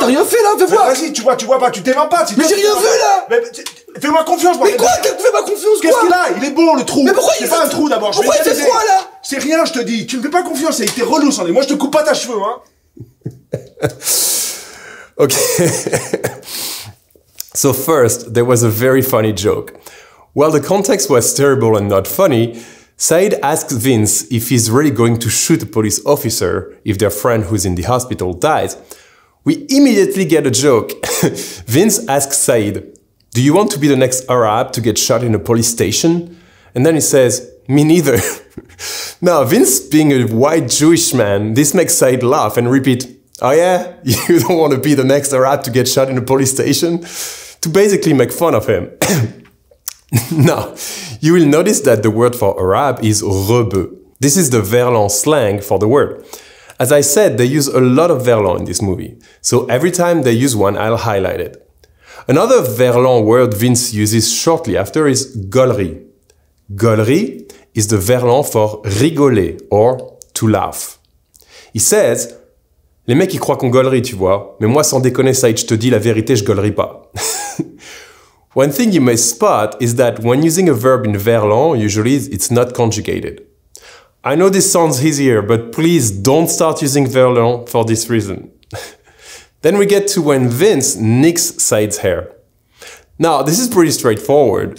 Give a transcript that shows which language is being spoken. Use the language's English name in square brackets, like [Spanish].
[French] t'as rien fait là, fais voir! Vas-y, tu vois pas, tu t'aimes pas, mais j'ai rien vu là! Mais fais-moi confiance, moi! Mais quoi? Tu fais ma confiance, qu'est-ce qu'il a? Il est bon, le trou! Mais pourquoi il fait un trou d'abord? Pourquoi il fait froid là? C'est rien, je te dis, tu me fais pas confiance, t'es relou, sans moi, je te coupe pas ta cheveux, hein. Ok. [English] So first, there was a very funny joke. While the context was terrible and not funny, Saïd asks Vince if he's really going to shoot a police officer if their friend who's in the hospital dies. We immediately get a joke. Vince asks Saïd, do you want to be the next Arab to get shot in a police station? And then he says, me neither. Now, Vince, being a white Jewish man, this makes Said laugh and repeat, oh yeah, you don't want to be the next Arab to get shot in a police station? To basically make fun of him. Now, you will notice that the word for Arab is rebeu. This is the Verlan slang for the word. As I said, they use a lot of Verlan in this movie. So every time they use one, I'll highlight it. Another Verlan word Vince uses shortly after is gaulerie. Gaulerie is the Verlan for rigoler or to laugh. He says, [French] les mecs ils croient qu'on gaulerie, tu vois. Mais moi, sans déconner, ça, je te dis la vérité, je gaulerie pas. [English] One thing you may spot is that when using a verb in Verlan, usually it's not conjugated. I know this sounds easier, but please don't start using Verlan for this reason. Then we get to when Vince nicks Said's hair. Now, this is pretty straightforward.